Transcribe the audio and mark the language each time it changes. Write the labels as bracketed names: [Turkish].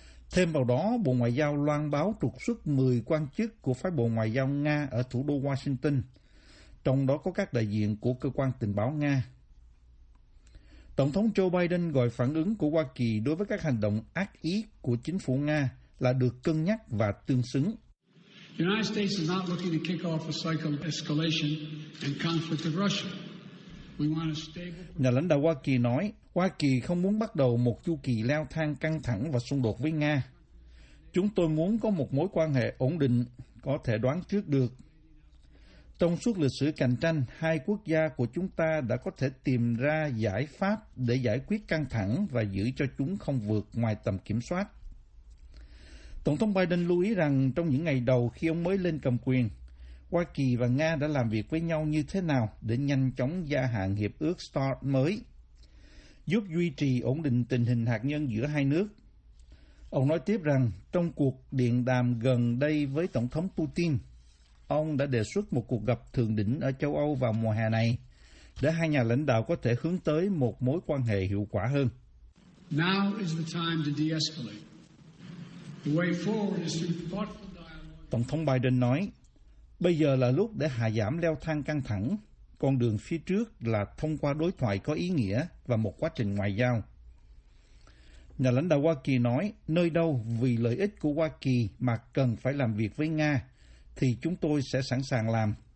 [Vietnamese] Thêm vào đó, Bộ Ngoại giao loan báo trục xuất 10 quan chức của Phái bộ Ngoại giao Nga ở thủ đô Washington, trong đó có các đại diện của cơ quan tình báo Nga. Tổng thống Joe Biden gọi phản ứng của Hoa Kỳ đối với các hành động ác ý của chính phủ Nga là được cân nhắc và tương xứng. [English] The United States is not looking to kick off a cycle of escalation and conflict with Russia. [Vietnamese] Nhà lãnh đạo Hoa Kỳ nói, Hoa Kỳ không muốn bắt đầu một chu kỳ leo thang căng thẳng và xung đột với Nga. Chúng tôi muốn có một mối quan hệ ổn định, có thể đoán trước được. Trong suốt lịch sử cạnh tranh, hai quốc gia của chúng ta đã có thể tìm ra giải pháp để giải quyết căng thẳng và giữ cho chúng không vượt ngoài tầm kiểm soát. Tổng thống Biden lưu ý rằng trong những ngày đầu khi ông mới lên cầm quyền, Hoa Kỳ và Nga đã làm việc với nhau như thế nào để nhanh chóng gia hạn hiệp ước START mới, giúp duy trì ổn định tình hình hạt nhân giữa hai nước. Ông nói tiếp rằng, trong cuộc điện đàm gần đây với Tổng thống Putin, ông đã đề xuất một cuộc gặp thượng đỉnh ở châu Âu vào mùa hè này, để hai nhà lãnh đạo có thể hướng tới một mối quan hệ hiệu quả hơn. [English] Now is the time to de-escalate. The way forward is through thoughtful dialogue. [Vietnamese] Tổng thống Biden nói, bây giờ là lúc để hạ giảm leo thang căng thẳng. Con đường phía trước là thông qua đối thoại có ý nghĩa và một quá trình ngoại giao. Nhà lãnh đạo Hoa Kỳ nói, nơi đâu vì lợi ích của Hoa Kỳ mà cần phải làm việc với Nga, thì chúng tôi sẽ sẵn sàng làm.